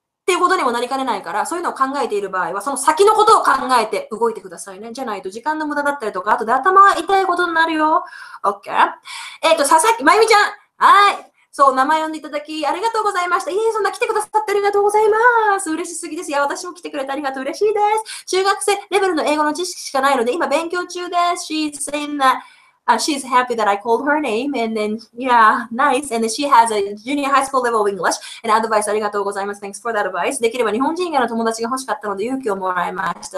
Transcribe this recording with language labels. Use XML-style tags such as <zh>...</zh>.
<ja>ていうことにもなりかねないから、そういうのを考えている場合は、その先のことを考えて動いてくださいね。じゃないと時間の無駄だったりとか、あとで頭が痛いことになるよ。 OK。 佐々木、まゆみちゃん。はい。そう、名前呼んでいただき、ありがとうございました。いえ、そんな来てくださってありがとうございます。嬉しすぎです。いや、私も来てくれてありがとう。嬉しいです。中学生レベルの英語の知識しかないので、今勉強中です。</ja> <en>She's saying that,she's happy that I called her name. And then, yeah, nice. And then she has a junior high school level of English. And advice,</en> <ja>ありがとうございます。</ja> <en>Thanks for that advice.</en> <ja>できれば日本人以外の友達が欲しかったので勇気をもらいました。</ja>